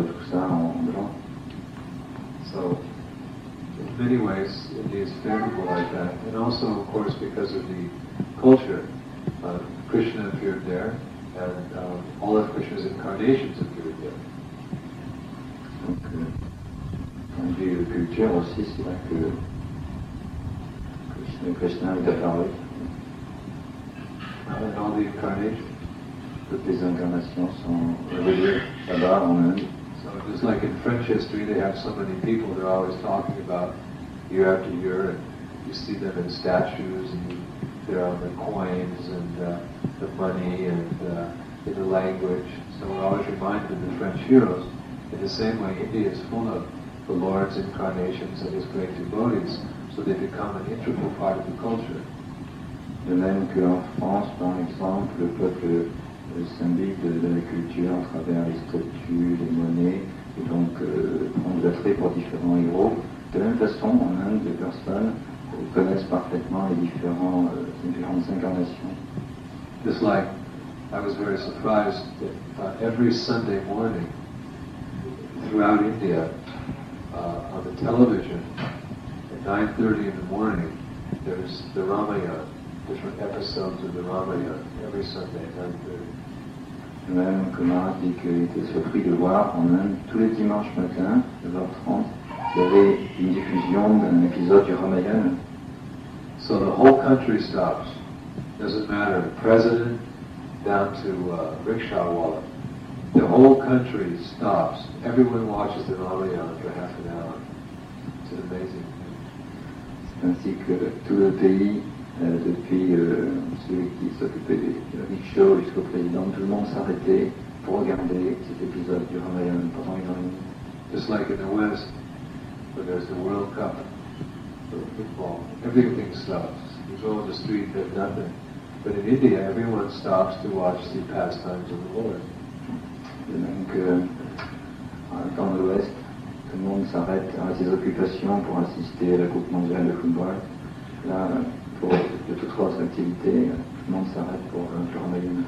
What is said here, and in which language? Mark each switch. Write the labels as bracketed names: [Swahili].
[English] So, in many ways, India is favorable like that. And also, of course, because of the culture, Krishna appeared there, and all of Krishna's incarnations appeared there. [French] Donc, vu le culture aussi, c'est là que Krishna est apparu. And all the incarnations. Toutes les incarnations sont reliées là-bas en Inde. [English] So just like in French history, they have so many people they're always talking about year after year, and you see them in statues, and they're on the coins, and the money, and in the language. So we're always reminded of the French heroes. In the same way, India is full of the Lord's incarnations and his great devotees, so they become an integral part of the culture. [French] De même qu'en France, par exemple, le peuple s'imbibe de la culture à travers les statues, les monnaies, et donc prend de l'attrait pour différents héros. De la même façon, en Inde, les personnes connaissent parfaitement les différents, différentes incarnations. [English] Just like, I was very surprised that every Sunday morning, throughout India, on the television, at 9:30 in the morning, there's the Ramayana. Different episodes of the Ramayana every Sunday at 9:30. [French] Même que Marat dit qu'il était surpris de voir en Inde tous les dimanches matin, 9:30, il y avait une diffusion d'un épisode du Ramayana. [English] So the whole country stops. Doesn't matter, the president down to rickshaw wallet. The whole country stops. Everyone watches the Ramayana for half an hour. It's an amazing thing. [French] C'est ainsi que tout le pays. Depuis celui qui s'occupait du rickshaw jusqu'au président, tout le monde s'arrêtait pour regarder cet épisode du Ramayana pendant une heure. [English] Just like in the West, where there's the World Cup, the football, everything stops. You go on the street, there's nothing. But in India, everyone stops to watch the pastimes of the Lord. [French] De même que dans l'Ouest, tout le monde s'arrête à ses occupations pour assister à la Coupe mondiale de football. Là, de toutes les activités, tout le monde s'arrête pour un journée.